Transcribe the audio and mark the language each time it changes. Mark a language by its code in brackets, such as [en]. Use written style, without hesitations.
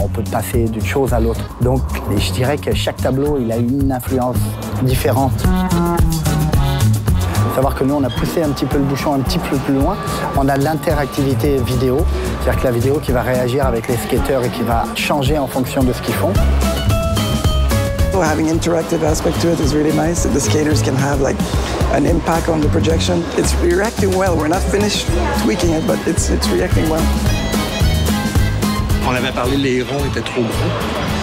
[fr] On peut passer d'une chose à l'autre. Donc, je dirais que chaque tableau, il a une influence différente. Savoir que nous, on a poussé un petit peu le bouchon un petit peu plus loin. On a l'interactivité vidéo, c'est-à-dire que la vidéo qui va réagir avec les skateurs et qui va changer en fonction de ce qu'ils font. [en] Well, having an interactive aspect to it is really nice. The skaters can have like an impact on the projection. It's reacting well. We're not finished tweaking it, but it's reacting well. [fr] On avait parlé, les ronds étaient trop gros.